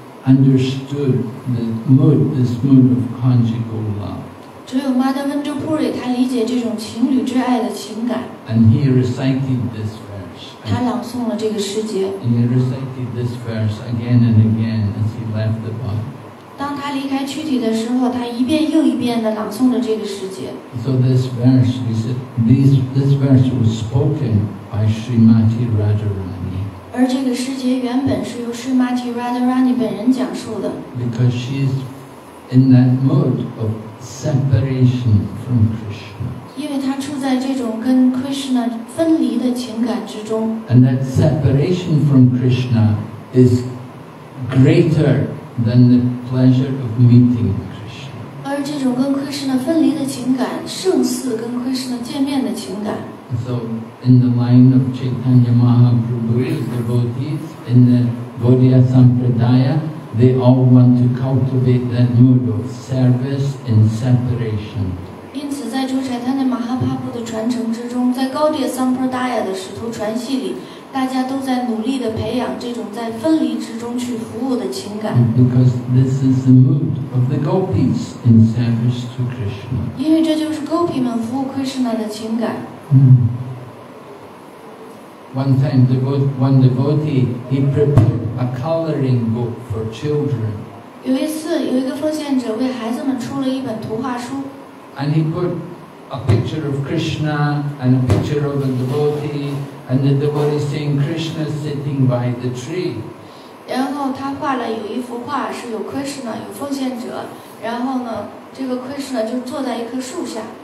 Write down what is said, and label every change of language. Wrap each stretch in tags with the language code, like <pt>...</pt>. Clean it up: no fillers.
<en>Understood this mood of conjugal love.</en> <zh>只有 Madhavendra Puri 他理解这种情侣之爱的情感。</zh> <en>And he recited this verse.</en> <zh>他朗诵了这个诗节。</zh> <en>And he recited this verse again and again as he left the body.</en> <zh>当他离开躯体的时候，他一遍又一遍地朗诵了这个诗节。</zh> <en>So this verse, he said, this verse was spoken by Srimati Radharani.</en> <zh>而这个诗节原本是由 Srimati Radharani 本人讲述的。</zh> <en>Because she's in that mood of separation from Krishna.</en> <zh>因为她处在这种跟 Krishna 分离的情感之中。</zh> <en>And that separation from Krishna is greater than the pleasure of meeting Krishna.</en> <zh>而这种跟 Krishna 分离的情感，胜似跟 Krishna 见面的情感。</zh> <en>So, in the line of Chaitanya Mahaprabhu's devotees, in the Gaudiya Sampradaya, they all want to cultivate that mood of service and separation.</en> <zh>因此在主柴坦内马哈帕布的传承之中，在高迭桑普达雅的使徒传系里，大家都在努力地培养这种在分离之中去服务的情感。</zh> <en>Because this is the mood of the gopis in service to Krishna.</en> <zh>因为这就是 gopi 们服务 Krishna 的情感。</zh> <en>One time, one devotee, he prepared a coloring book for children.</en> <zh>有一次，有一个奉献者为孩子们出了一本图画书。</zh> <en>And he put a picture of Krishna and a picture of a devotee, and the devotee saying Krishna sitting by the tree.</en> <zh>然后他画了有一幅画是有 Krishna 有奉献者，然后呢，这个 Krishna 就坐在一棵树下。</zh>